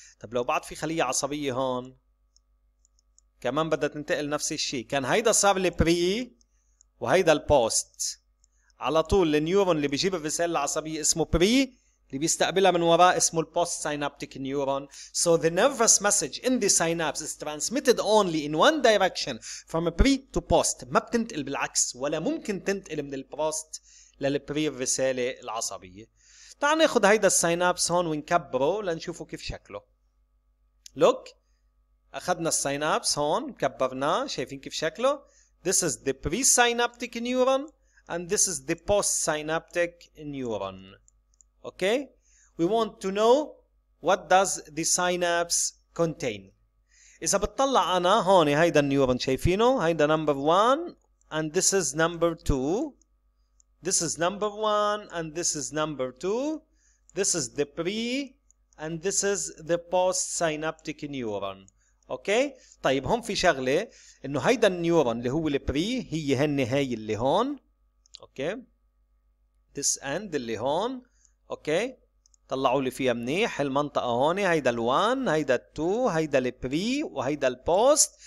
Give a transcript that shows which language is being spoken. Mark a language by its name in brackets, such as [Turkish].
[Arabic] طب لو بعد في خلية عصبية هون كمان بدها تنتقل نفس الشيء، كان هيدا صار لي pre وهيدا البوست. على طول النيورون اللي بيجيب الرسالة العصبية اسمه pre، اللي بيستقبلها من وراء اسمه البوست سينابتيك نيورون. [English] So the nervous message in the synapse is transmitted only in one direction from pre to post. [Arabic] ما بتنتقل بالعكس ولا ممكن تنتقل من البوست للبري الرسالة العصبية. تعال ناخذ هيدا السينابس هون ونكبره لنشوفه كيف شكله. [English] Look، [Arabic] أخذنا السينابس هون كبرناه، شايفين كيف شكله؟ [English] This is the pre-synaptic neuron and this is the postsynaptic neuron. Okay, we want to know what does the synapse contain. [Arabic] إذا بتطلع أنا هون هيدا النيورون شايفينه، هيدا [English] number 1 and this is number 2. This is number 1 and this is number 2. This is the pre and this is the postsynaptic neuron. [Arabic] Okay، طيب هون في شغلة إنه هيدا النيورون اللي هو البري هي هالنهاية اللي هون. اوكي [English] this end [Arabic] اللي هون. اوكي طلعوا لي فيها منيح المنطقه هون، هيدا ال1 هيدا ال2 هيدا البري وهيدا البوست.